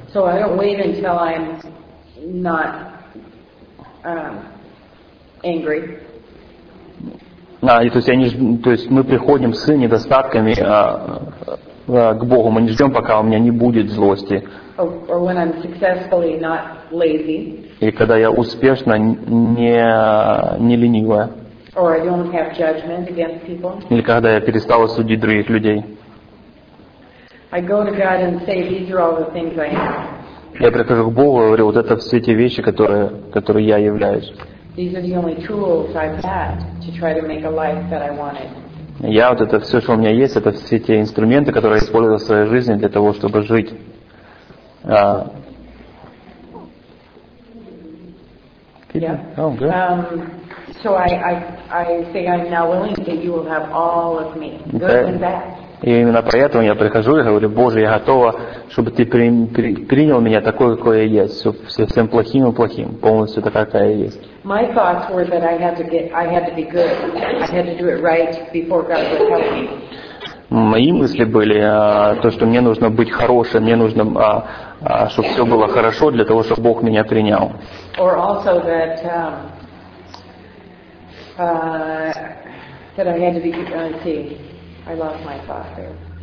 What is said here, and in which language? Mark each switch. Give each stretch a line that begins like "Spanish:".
English: So I don't wait until I'm not angry.
Russian: То есть мы приходим с недостатками к Богу. Мы не ждем, пока у меня не будет злости.
English: Or when I'm successfully not lazy.
Russian: И когда я успешно не ленивая.
English: Or I don't have judgment against people.
Russian: Или когда я перестала судить других людей.
English: I go to God and say, these are all the things I am.
Russian: Я прихожу к Богу и говорю, вот это все те вещи, которые я являюсь.
English: These are the only tools I've had to try to make a life that I wanted.
Russian: Я вот это все, что у меня есть, это все те инструменты, которые я использую в своей жизни для того, чтобы жить.
English: Yeah. Oh, good. So I say I'm now willing that you will have all of me, good and bad.
Russian: И именно поэтому я прихожу и говорю: Боже, я готова, чтобы ты принял меня такой, какой я есть, со всем плохим и плохим, полностью такая, какая я есть.
English: My thoughts were that I had to be good. I had to do it right before God would help me.
Russian: Мои мысли были то, что мне нужно быть хорошим, мне нужно, чтобы все было хорошо для того, чтобы Бог меня принял.
English: Or also that, that I had to be, I lost my thought there.